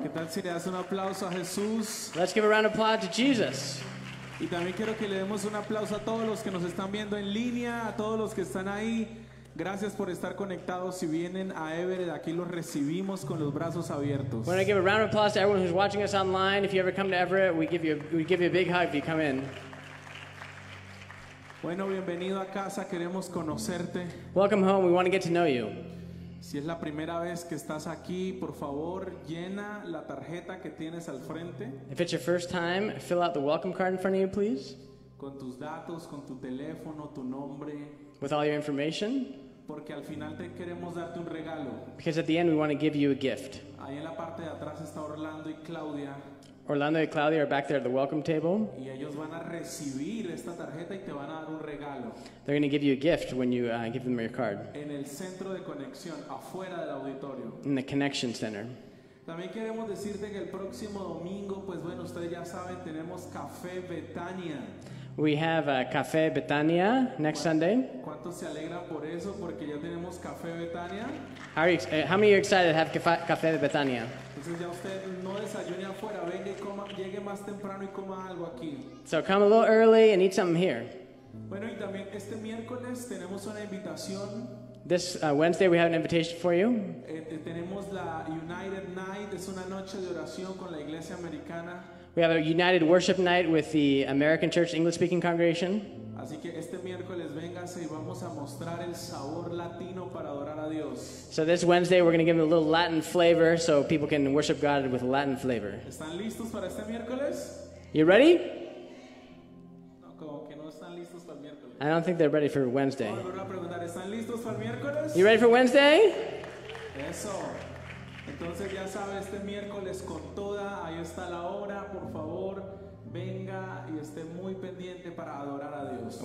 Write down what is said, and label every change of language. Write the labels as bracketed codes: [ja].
[es] ¿Qué tal si le das un aplauso a Jesús? [en] Let's give a round of applause to Jesus. [es] Y también quiero que le demos un aplauso a todos los que nos están viendo en línea, a todos los que están ahí. Gracias por estar conectados. Si vienen a Everett, aquí los recibimos con los brazos abiertos. [en] We want to give a round of applause to everyone who's watching us online. If you ever come to Everett, we give you a big hug if you come in. [es] Bueno, bienvenido a casa. Queremos conocerte. [en] Welcome home. We want to get to know you. [es] Si es la primera vez que estás aquí, por favor, llena la tarjeta que tienes al frente. [en] If it's your first time, fill out the welcome card in front of you, please. [es] Con tus datos, con tu teléfono, tu nombre. [en] With all your information. [es] Porque al final te queremos darte un regalo. [en] Because at the end we want to give you a gift. [es] Ahí en la parte de atrás está Orlando y Claudia. [en] Orlando y Claudia are back there at the welcome table. [es] Y ellos van a recibir esta tarjeta y te van a dar un regalo. [en] They're going to give you a gift when you give them your card. [es] En el centro de conexión, afuera del auditorio. [en] In the connection center. [es] También queremos decirte que el próximo domingo, pues bueno, ustedes ya saben, tenemos Café Betania. [en] We have a Café Betania next Sunday. [es] ¿Cuántos se alegran por eso? Porque ya tenemos Café Betania. [en] How many are excited to have Café de Betania? [es] Entonces ya usted no desayune afuera, venga y coma, llegue más temprano y coma algo aquí. [en] So come a little early and eat something here. [es] Bueno, y también este miércoles tenemos una invitación. [en] This Wednesday we have an invitation for you. [es] Tenemos la United Night, es una noche de oración con la Iglesia Americana. [en] We have a United Worship Night with the American Church English-speaking congregation. [es] Así que este miércoles véngase y vamos a mostrar el sabor latino para adorar a Dios. [en] So this Wednesday we're going to give them a little Latin flavor so people can worship God with Latin flavor. [es] ¿Están listos para este miércoles? [en] You ready? [es] No, como que no están listos para el miércoles. [en] I don't think they're ready for Wednesday. [es] ¿Puedo volver a preguntar, están listos para el miércoles? [en] You ready for Wednesday? [es] Eso. Entonces ya sabes, este miércoles con toda, ahí está la hora, por favor, venga y esté muy pendiente para adorar a Dios.